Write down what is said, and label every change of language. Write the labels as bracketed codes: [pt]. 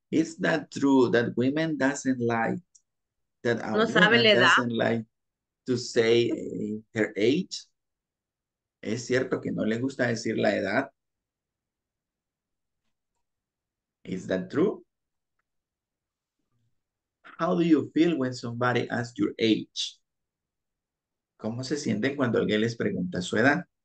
[en] Is that true that women doesn't like that a [es] no sabe [en] doesn't like to say her age? [es] ¿Es cierto que no le gusta decir la edad? [en] Is that true? How do you feel when somebody asks your age? [es] ¿Cómo se sienten cuando alguien les pregunta su edad?